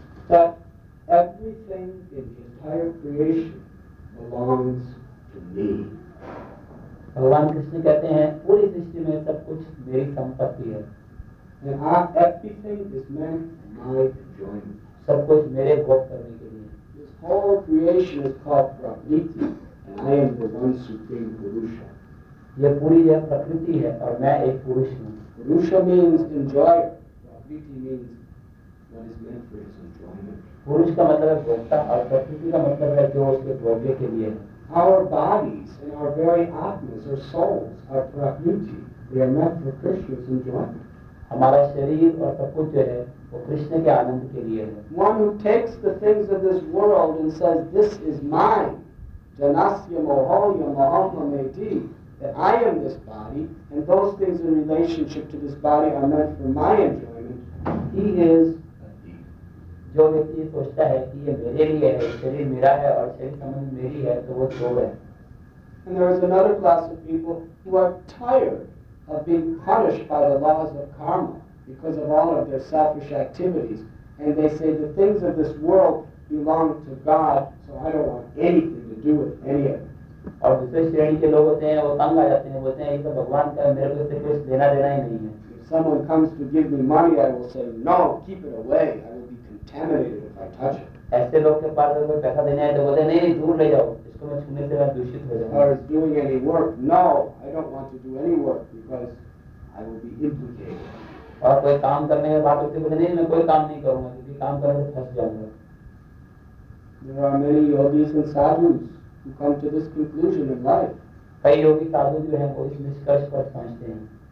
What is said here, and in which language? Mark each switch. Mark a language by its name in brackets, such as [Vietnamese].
[English] That everything in the entire creation belongs to me. [Hindi] भगवान कृष्ण कहते हैं पूरी सृष्टि में सब कुछ मेरी संपत्ति है. [English] Everything is meant for my enjoyment. [Hindi] सब कुछ मेरे भोग करने के लिए. [English] This whole creation is called Prakriti, and I am the one supreme Purusha. [Hindi] ये पूरी यह प्रकृति है और मैं एक पुरुष हूँ. [English] Purusha means enjoyer. Prakriti means what is meant for his enjoyment. [Hindi] पुरुष का मतलब है भोक्ता और प्रकृति का मतलब है जो उसके भोग्य के लिए है. [English] Our bodies and our very atmas, our souls, are prakriti. They are meant for Krishna's enjoyment. [Hindi] हमारा शरीर और सब कुछ जो है वो कृष्ण के आनंद के लिए है. [English] One who takes the things of this world and says, "This is mine," [Sanskrit] janasya mohaya mahamameti, [English] that I am this body, and those things in relationship to this body are meant for my enjoyment. He is [Hindi] जो व्यक्ति सोचता है कि ये मेरे लिए है, शरीर मेरा है और शरीर संबंध मेरी है, तो वो चोर है. [English] And there is another class of people who are tired of being punished by the laws of karma because of all of their selfish activities, and they say the things of this world belong to God, so I don't want anything to do with any of it. [Hindi] और दूसरे श्रेणी के लोग होते हैं, वो तंग आ जाते हैं, बोलते हैं ये तो भगवान का, मेरे को इससे कुछ लेना देना ही नहीं है. [English] If someone comes to give me money, I will say no, keep it away. I will be contaminated if I touch it. [Hindi] ऐसे लोग के पास अगर कोई पैसा देने आए तो बोलते नहीं नहीं दूर ले जाओ, इसको मैं छूने से मैं दूषित हो जाऊंगा. [English] Or is doing any work? No, I don't want to do any work because I will be implicated. [Hindi] और कोई काम करने के बाद उसे बोलते नहीं मैं कोई काम नहीं करूंगा क्योंकि काम करने से फंस जाऊंगा. [English] There are many yogis and sadhus who come to this conclusion in life. [Hindi] कई योगी साधु जो हैं वो इस निष्कर्ष पर पहुंचते हैं.